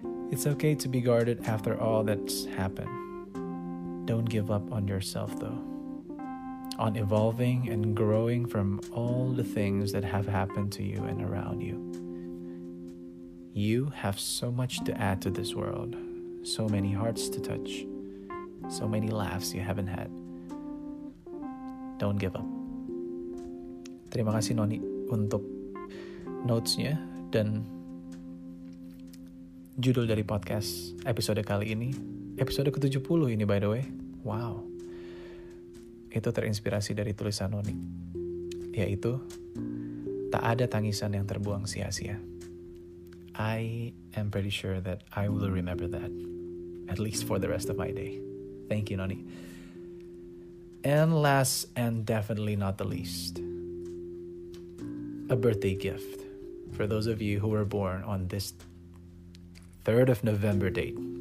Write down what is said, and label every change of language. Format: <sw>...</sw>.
<en>It's okay to be guarded after all that's happened. Don't give up on yourself though, on evolving and growing from all the things that have happened to you and around you. You have so much to add to this world, so many hearts to touch, so many laughs you haven't had. Don't give up.</en> <id>Terima kasih Noni untuk notes-nya dan judul dari podcast episode kali ini. Episode ke-70 ini,</id> <en>by the way.</en> <id>Wow. Itu terinspirasi dari tulisan Noni, yaitu tak ada tangisan yang terbuang sia-sia.</id> <en>I am pretty sure that I will remember that, at least for the rest of my day. Thank you, Noni. And last and definitely not the least, a birthday gift for those of you who were born on this 3rd of November date.</en>